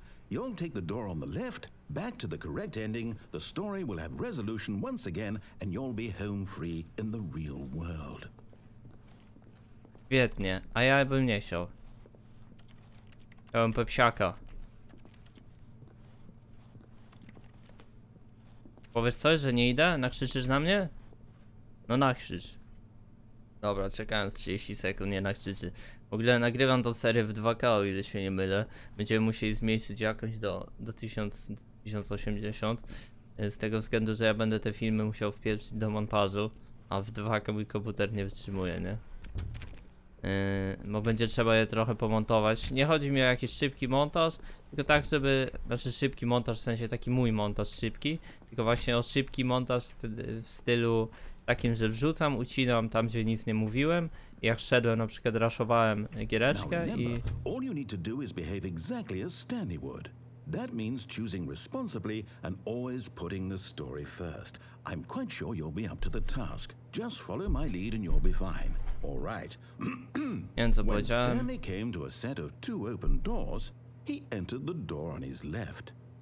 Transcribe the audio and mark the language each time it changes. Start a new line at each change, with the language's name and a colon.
English: You'll take the door on the left, back to the correct ending, the story will have resolution once again, and you'll be home free in the real world.
Polish: Świetnie, a ja bym nie chciał. Chciałbym pepsiaka. Powiesz coś, że nie idę? Nakrzyczysz na mnie? No nakrzycz. Dobra, czekając 30 sekund, nie nakrzyczy. W ogóle nagrywam tę serię w 2K, o ile się nie mylę. Będziemy musieli zmniejszyć jakoś do 1080. Z tego względu, że ja będę te filmy musiał wpieprzyć do montażu. A w 2K mój komputer nie wytrzymuje, nie? Bo będzie trzeba je trochę pomontować. Nie chodzi mi o jakiś szybki montaż, tylko tak, żeby... Znaczy szybki montaż, w sensie taki mój montaż szybki. Tylko właśnie o szybki montaż w stylu takim, że wrzucam, ucinam tam, gdzie nic nie mówiłem. Jak szedłem, na przykład rushowałem giereczkę i...
English: All you need to do is behave exactly as Stanley would. That means choosing responsibly and always putting the story first. I'm quite sure you'll be up to the task. Just follow my lead and you'll be fine. All right. When Stanley came to a set of two open doors, he entered the door on his left.